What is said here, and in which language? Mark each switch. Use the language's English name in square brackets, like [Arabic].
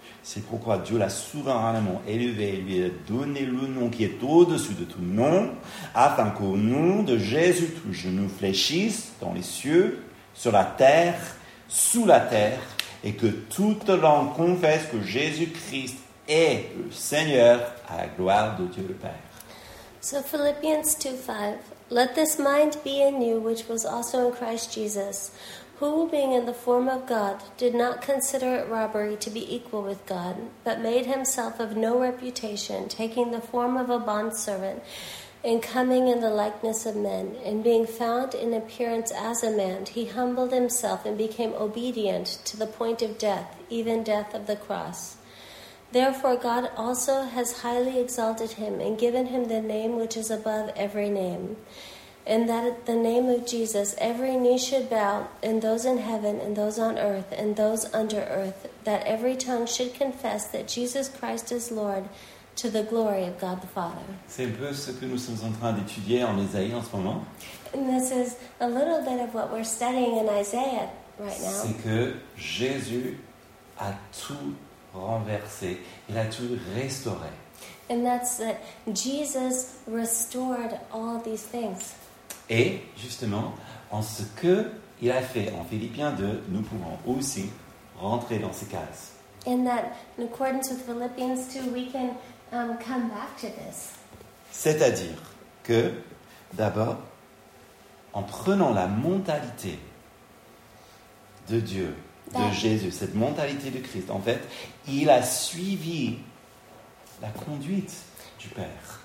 [French] C'est pourquoi Dieu l'a souverainement élevé et lui a donné le nom qui est au-dessus de tout nom, afin qu'au nom de Jésus, tous genoux fléchissent dans les cieux, sur la terre, sous la terre, et que toute langue confesse que Jésus-Christ est le Seigneur à la gloire de Dieu le Père. [English] So Philippians 2:5. Let this mind be in you, which was also in Christ Jesus, who, being in the form of God, did not consider it robbery to be equal with God, but made himself of no reputation, taking the form of a bondservant, and coming in the likeness of men, and being found in appearance as a man, he humbled himself and became obedient to the point of death, even death of the cross. Therefore, God also has highly exalted him and given him the name which is above every name, and that at the name of Jesus every knee should bow, and those in heaven, and those on earth, and those under earth, that every tongue should confess that Jesus Christ is Lord, to the glory of God the Father. [French] C'est un peu ce que nous sommes en train d'étudier en Isaïe en ce moment. [English] And this is a little bit of what we're studying in Isaiah right now. [French] C'est que Jésus a tout renversé, il a tout restauré. [English] And that's that Jesus restored all these things. [French] Et justement, en ce que il a fait en Philippiens 2, nous pouvons aussi rentrer dans ces cases. [English] And that, in accordance with Philippians 2, we can come back to this. [French] C'est-à-dire que, d'abord, en prenant la mentalité de Dieu, de Jésus, cette mentalité de Christ. En fait, il a suivi la conduite du Père.